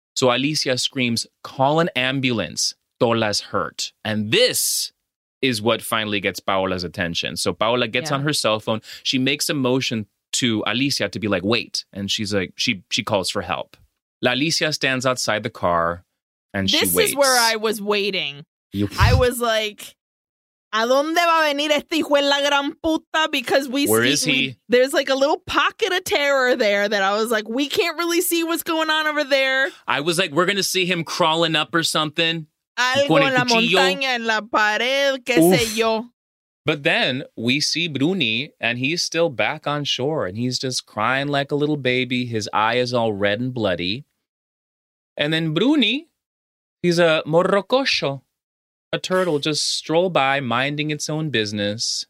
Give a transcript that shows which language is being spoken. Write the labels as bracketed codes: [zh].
[en] So Alicia screams, call an ambulance. Tola's hurt. And this is what finally gets Paola's attention. So Paola gets on her cell phone. She makes a motion to Alicia to be like, wait. And she's like, she calls for help. La Alicia stands outside the car and she waits. This is where I was waiting. I was like, [es] ¿a dónde va a venir este hijo de la gran puta? [en] Because there's like a little pocket of terror there that I was like, we can't really see what's going on over there. I was like, we're going to see him crawling up or something. [es] Algo en la montaña, en la pared, qué sé yo. [en] But then we see Bruni and he's still back on shore and he's just crying like a little baby. His eye is all red and bloody. And then Bruni, he's a morrocosho, a turtle, just stroll by minding its own business.